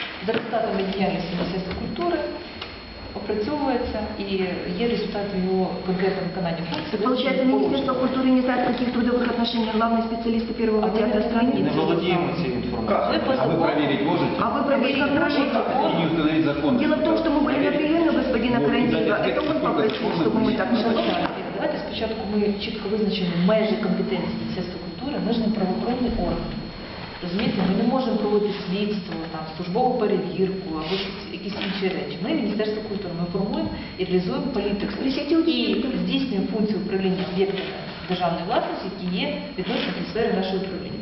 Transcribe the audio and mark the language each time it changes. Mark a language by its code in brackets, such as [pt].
[uk] За результатами діяльності Міністерства культури, опрацьовується і є результат його конкретного виконання. Так, виходить, Міністерство культури не знає, яких трудових отношень главний спеціаліст Первого театру страны. Не володіємо цією інформацією. [ru] А ви проверить можете? Дело в том, что мы были на приеме господина Карандіва. Это он попросил, чтобы мы так не [uk] Давайте спочатку ми чітко визначимо межі компетенції Міністерства ми ж не правоохоронний орган. Розумієте, ми не можемо проводити слідство, там, службову перевірку або якісь інші речі. Ми, Міністерство культури, ми формуємо і реалізуємо політику і здійснюємо функцію управління об'єктом державної власності, які є відносно до сфери нашого управління.